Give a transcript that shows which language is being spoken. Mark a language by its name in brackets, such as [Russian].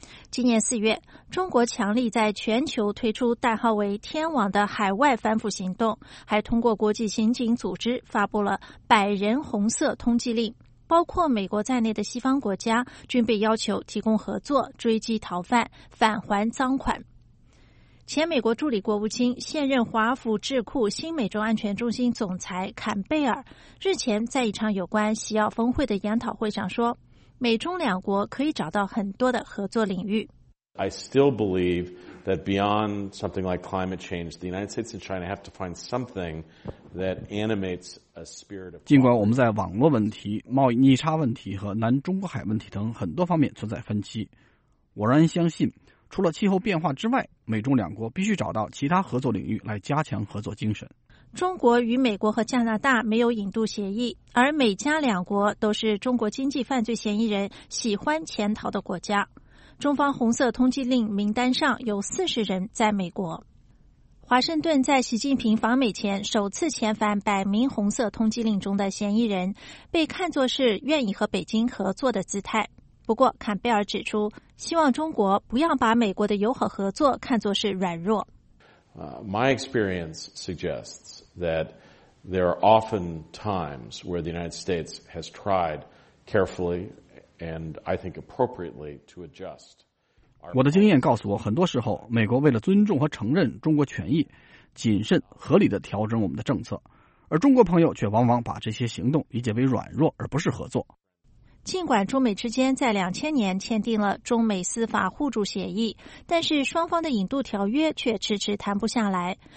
[Chinese] 今年4月，中国强力在全球推出代号为“天网”的海外反腐行动，还通过国际刑警组织发布了百人红色通缉令，包括美国在内的西方国家均被要求提供合作，追缉逃犯，返还赃款。前美国助理国务卿、现任华府智库新美洲安全中心总裁坎贝尔日前在一场有关西澳峰会的研讨会上说，美中两国可以找到很多的合作领域。 [English] I still believe that beyond something like climate change, the United States and China have to find something that animates a spirit of. [Chinese] 尽管我们在网络问题、贸易逆差问题和南中国海问题等很多方面存在分歧，我仍然相信，除了气候变化之外，美中两国必须找到其他合作领域来加强合作精神。中国与美国和加拿大没有引渡协议，而美加两国都是中国经济犯罪嫌疑人喜欢潜逃的国家。中方红色通缉令名单上有40人在美国。华盛顿在习近平访美前首次遣返百名红色通缉令中的嫌疑人，被看作是愿意和北京合作的姿态。不过坎贝尔指出，希望中国不要把美国的友好合作看作是软弱。 [English] My experience suggests that there are often times where the United States has tried carefully and I think appropriately to adjust. [Chinese] 我的经验告诉我，很多时候美国为了尊重和承认中国权益，谨慎合理地调整我们的政策，而中国朋友却往往把这些行动理解为软弱而不是合作。尽管中美之间在2000年签订了中美司法互助协议，但是双方的引渡条约却迟迟谈不下来。